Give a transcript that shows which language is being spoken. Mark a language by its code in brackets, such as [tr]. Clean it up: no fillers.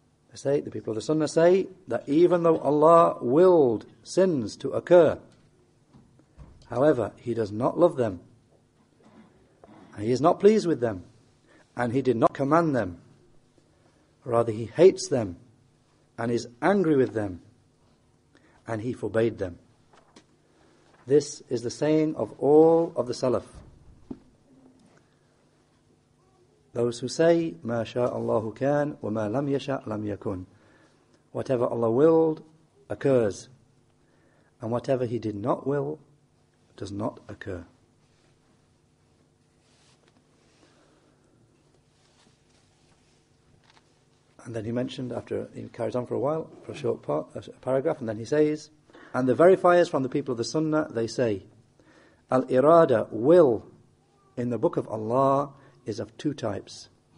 [en] They say, the people of the Sunnah say that even though Allah willed sins to occur, however, He does not love them, and He is not pleased with them, and He did not command them. Rather, he hates them and is angry with them, and he forbade them. This is the saying of all of the Salaf. Those who say, [ar] ما شاء الله كان وما لم يشاء لم يكن. [en] Whatever Allah willed occurs, and whatever He did not will does not occur. And then he mentioned, after he carries on for a while, for a short paragraph, and then he says, and the verifiers from the people of the Sunnah, they say, Al-Irada, will, in the book of Allah, is of two types.